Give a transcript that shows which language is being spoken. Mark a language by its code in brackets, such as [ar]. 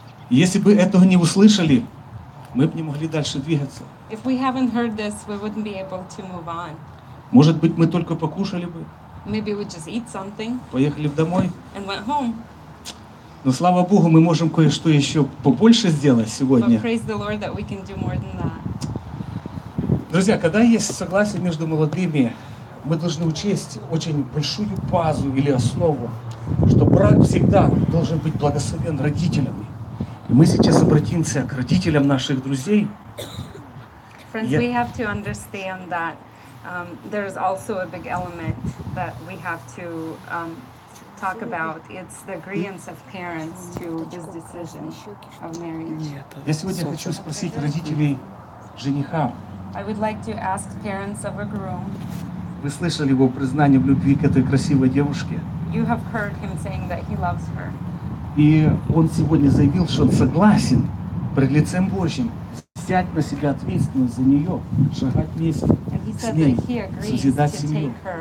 [ru] Если бы этого не услышали, мы бы не могли дальше двигаться. [en] If we haven't heard this, we wouldn't be able to move on. [ru] Может быть, мы только покушали бы. [en] Maybe we just eat something. [ru] Поехали бы домой. [en] And went home. [ru] Но слава Богу, мы можем кое-что еще побольше сделать сегодня. [en] But praise the Lord that we can do more than that. [ru] Друзья, когда есть согласие между молодыми, мы должны учесть очень большую базу или основу, что брак всегда должен быть благословен родителями. И мы сейчас обратимся к родителям наших друзей. [en] Friends, we have to understand that there is also a big element that we have to talk about. It's the agreement of parents to this decision of marriage. [ru] Я сегодня хочу спросить родителей жениха. [en] I would like to ask parents of a groom. [ru] Вы слышали его признание в любви к этой красивой девушке? [en] You have heard him saying that he loves her. [ru] И он сегодня заявил, что он согласен пред лицем Божьим взять на себя ответственность за нее, шагать вместе с ней, созидать семью.